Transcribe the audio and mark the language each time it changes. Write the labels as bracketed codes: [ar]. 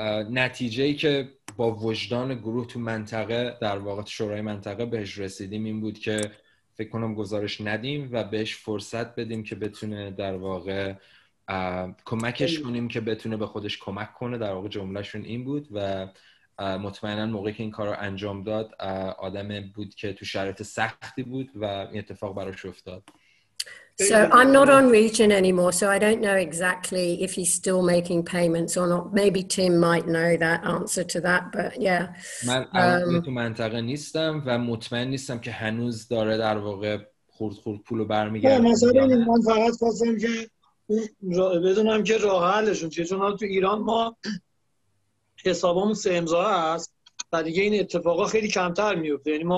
[fa] نتیجه‌ای که با وجدان گروه تو منطقه در واقع شورای منطقه بهش رسیدیم این بود که فکر کنم گزارش ندیم و بهش فرصت بدیم که بتونه در واقع کمکش کنیم که بتونه به خودش کمک کنه. در واقع جملهشون این بود و مطمئناً موقعی که این کار رو انجام داد آدم بود که تو شرایط سختی بود و این اتفاق براش افتاد. [en] So I'm not on Region anymore, so I don't know exactly if he's still making payments or not. Maybe Tim might know that answer to that, but yeah. [fa] من الان تو منطقه نیستم و مطمئن نیستم که هنوز داره در واقع خورد خورد پولو برمیگرده. مثلا من فقط خواستم که بدونم که راه حلشون چیه، چون تو ایران ما حسابمون سه امضا است. دیگه این اتفاقا خیلی کمتر میفته، یعنی ما